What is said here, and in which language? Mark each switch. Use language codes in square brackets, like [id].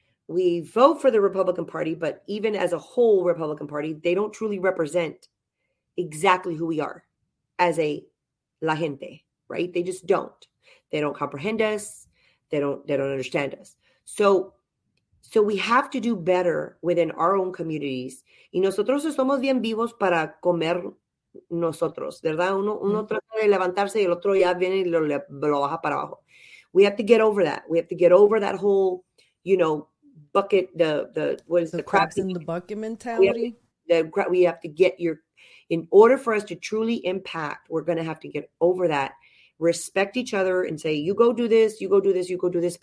[en] We vote for the Republican Party, but even as a whole Republican Party, they don't truly represent exactly who we are as a [es] la gente, [en] right? They just don't. They don't comprehend us. They don't understand us. So we have to do better within our own communities. [es] Y nosotros somos bien vivos para comer nosotros, ¿verdad? Uno trata de levantarse y el otro ya viene y lo baja para abajo. [en] We have to get over that. We have to get over that whole, you know, bucket, the crabs in the bucket mentality. We have to get your, in order for us to truly impact, we're going to have to get over that. Respect each other and say, you go do this, you go do this, you go do this.